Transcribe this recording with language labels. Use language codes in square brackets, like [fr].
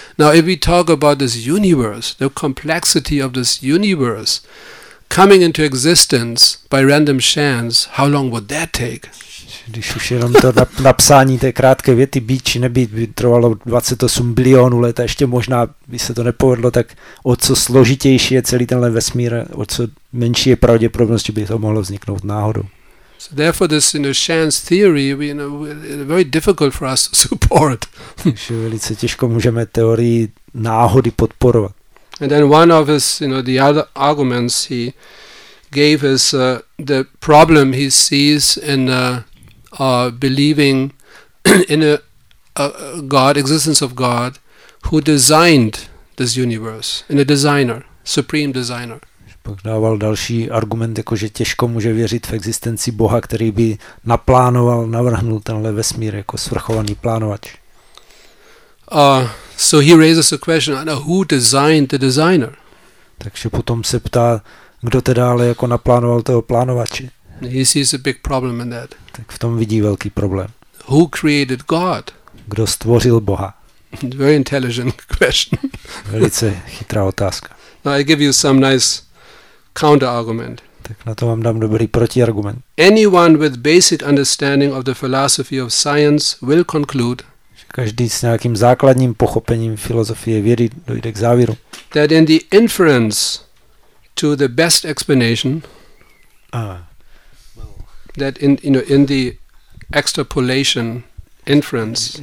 [en] Now if we talk about this universe, the complexity of this universe coming into existence by random chance, how long would that take? [cs] Když už jenom to napsání té krátké věty být či nebýt by trvalo 28 bilionů let a ještě možná by se to nepovedlo, tak o co složitější je celý tenhle vesmír, o co menší je pravděpodobnost, že by to mohlo vzniknout náhodou. [en] So therefore this, you know, chance theory, you know, very difficult for us to support. [cs] Takže velice těžko můžeme teorii náhody podporovat. [en] And then one of his, you know, the other arguments he gave is the problem he sees in believing in a God, existence of God, who designed this universe, in a designer, supreme designer. [cs] Pak dával další argument, jako že těžko může věřit v existenci Boha, který by naplánoval, navrhnul tenhle vesmír jako svrchovaný plánovač. [en] So he raises a question, who designed the designer? [cs] Takže potom se ptá, kdo teda ale jako naplánoval toho plánovače. [en] He sees a big problem in that. [cs] Tak v tom vidí velký problém. [en] Who created God? [cs] Kdo stvořil Boha? [en] Very intelligent question. [cs] Velice chytrá otázka. [en] Now I give you some nice counter-argument. [cs] Tak na to vám dám dobrý protiargument. [en] Anyone with basic understanding of the philosophy of science will conclude. [cs] Každý s nějakým základním pochopením filozofie vědy dojde k závěru. [en] That in the inference to the best explanation. That in, you know, in the extrapolation inference,